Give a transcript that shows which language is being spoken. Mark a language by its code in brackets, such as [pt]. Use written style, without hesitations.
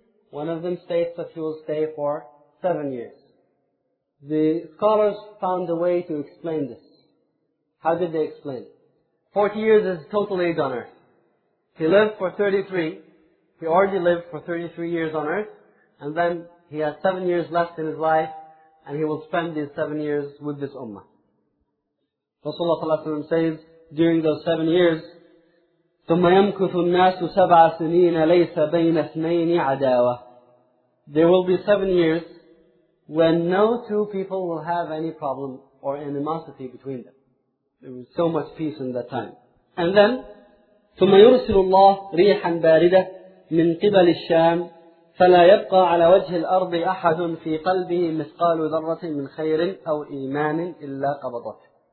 [en] One of them states that he will stay for 7 years. The scholars found a way to explain this. How did they explain it? 40 years is total age on earth. He lived for 33. He already lived for 33 years on earth. And then he has 7 years left in his life. and he will spend these 7 years with this ummah. Rasulullah sallallahu alaihi wasallam says, during those 7 years, [ar] ثُمَّ يَمْكُثُ النَّاسُ سَبْعَ سِنِينَ لَيْسَ بَيْنَ اثْنَيْنِ عَدَاوَةٌ. [en] There will be 7 years when no two people will have any problem or animosity between them. There was so much peace in that time. And then, [ar] ثُمَّ يُرْسِلُ اللَّهُ رِيحًا بَارِدَةً مِنْ قِبَلِ الشَّامِ فَلَا يَبْقَى عَلَى وَجْهِ الْأَرْضِ أَحَدٌ فِي قَلْبِهِ مِثْقَالُ ذَرَّةٍ مِنْ خَيْرٍ أَوْ إِيمَانٍ إِلَّا قَبَضَتْهُ.